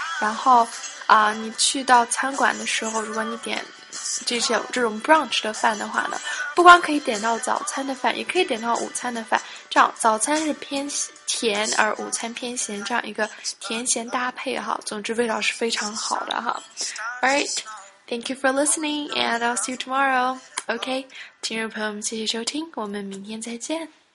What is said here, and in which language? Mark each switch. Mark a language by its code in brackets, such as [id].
[zh] 然后你去到餐馆的时候，如果你点这种 brunch 的饭的话呢，不光可以点到早餐的饭，也可以点到午餐的饭。这样早餐是偏甜，而午餐偏咸，这样一个甜咸搭配哈，总之味道是非常好的哈。 [en] Alright, thank you for listening and I'll see you tomorrow. [zh] OK, 听众朋友们，谢谢收听，我们明天再见。